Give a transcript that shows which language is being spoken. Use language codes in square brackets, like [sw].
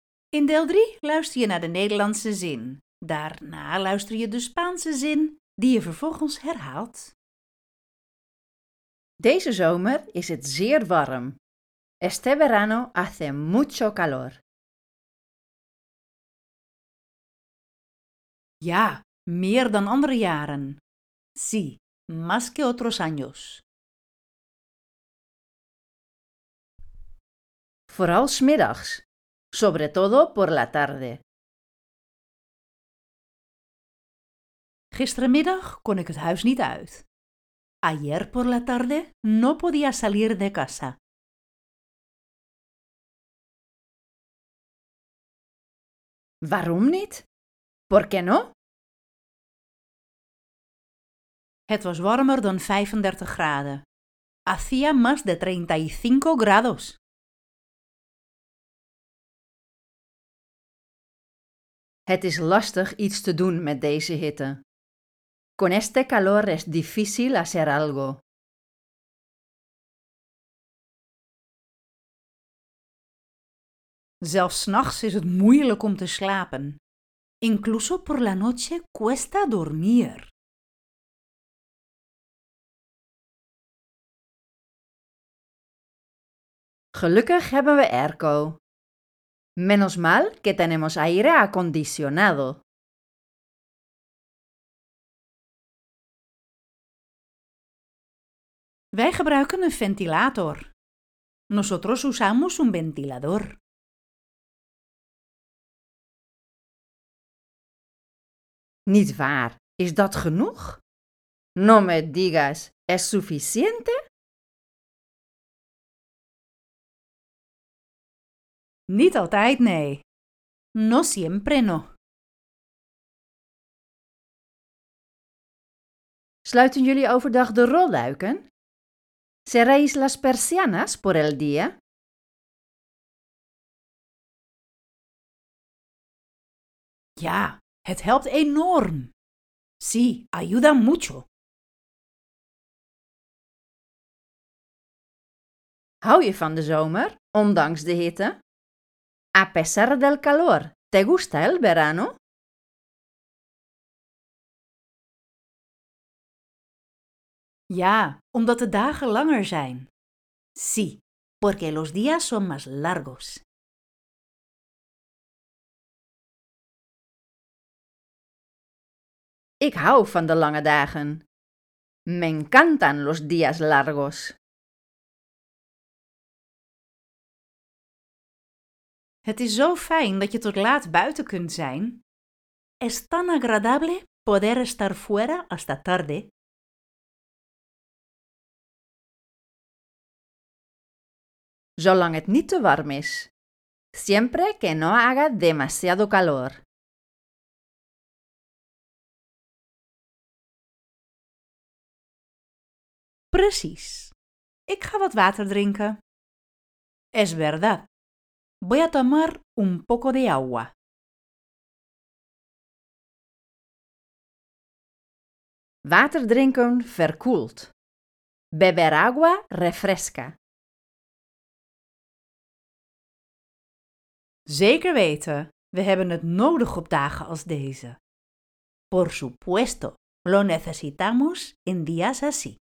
[nl] In deel 3 luister je naar de Nederlandse zin. Daarna luister je de Spaanse zin die je vervolgens herhaalt. Deze zomer is het zeer warm. [es] Este verano hace mucho calor. [nl] Ja, meer dan andere jaren. [es] Sí, más que otros años. [nl] Vooral 's middags, [es] sobre todo por la tarde. [nl] Gisterenmiddag kon ik het huis niet uit. [es] Ayer por la tarde no podía salir de casa. [nl] Waarom niet? [es] ¿Por qué no? [nl] Het was warmer dan 35 graden. [es] Hacía más de 35 grados. [nl] Het is lastig iets te doen met deze hitte. [es] Con este calor es difícil hacer algo. [nl] Zelfs 's nachts is het moeilijk om te slapen. [es] Incluso por la noche cuesta dormir. [nl] Gelukkig hebben we airco. [es] Menos mal que tenemos aire acondicionado. [nl] Wij gebruiken een ventilator. [es] Nosotros usamos un ventilador. [nl] Niet waar. Is dat genoeg? [es] No me digas, ¿es suficiente? [nl] Niet altijd, nee. [es] No siempre, no. [nl] Sluiten jullie overdag de rolluiken? [es] ¿Cerráis las persianas por el día? [nl] Ja, het helpt enorm. [es] Sí, ayuda mucho. [nl] Hou je van de zomer, ondanks de hitte? [es] A pesar del calor, ¿te gusta el verano? [nl] Ja, omdat de dagen langer zijn. [es] Sí, porque los días son más largos. [nl] Ik hou van de lange dagen. [es] Me encantan los días largos. [nl] Het is zo fijn dat je tot laat buiten kunt zijn. [es] Es tan agradable poder estar fuera hasta tarde. [nl] Zolang het niet te warm is. [es] Siempre que no haga demasiado calor. [nl] Precies. Ik ga wat water drinken. [es] Es verdad. Voy a tomar un poco de agua. [nl] Water drinken verkoelt. [es] Beber agua refresca. [nl] Zeker weten, we hebben het nodig op dagen als deze. [es] Por supuesto, lo necesitamos en días así.